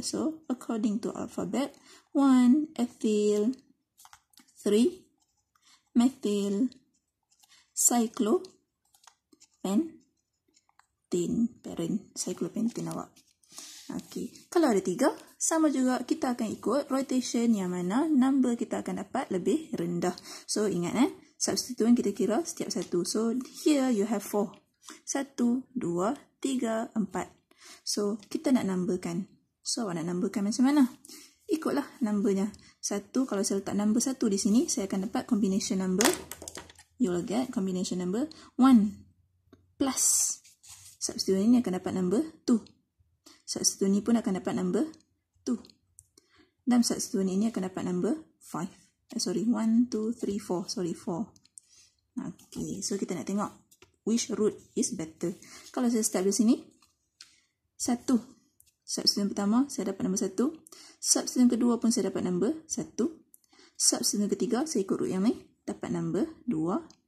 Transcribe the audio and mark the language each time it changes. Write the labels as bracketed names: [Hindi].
[English] So, according to alphabet, 1-ethyl, 3-methyl, cyclo, and pentin parent. [Malay] Saya keluar pentin awak. Okey. Kalau ada 3, sama juga kita akan ikut rotation yang mana number kita akan dapat lebih rendah. So ingat eh, substituent kita kira setiap satu. [English] So here you have 4. [Malay] 1, 2, 3, 4. So kita nak numberkan. So awak nak numberkan macam mana? Ikutlah numbernya. 1, kalau saya letak number 1 di sini, saya akan dapat combination number. [English] You'll get combination number 1 plus substituent [Malay] ini akan dapat [English] number 2. [Malay] Substituent ini pun akan dapat number 2. Dan substituent ini akan dapat number 5. [English] Sorry, 1, 2, 3, 4. Sorry, 4. [Malay] Okay, so kita nak tengok [English] which root is better. [Malay] Kalau saya start di sini, 1. Substituent pertama, saya dapat number 1. Substituent kedua pun saya dapat number 1. Substituent ketiga, saya ikut root yang ni, dapat number 2.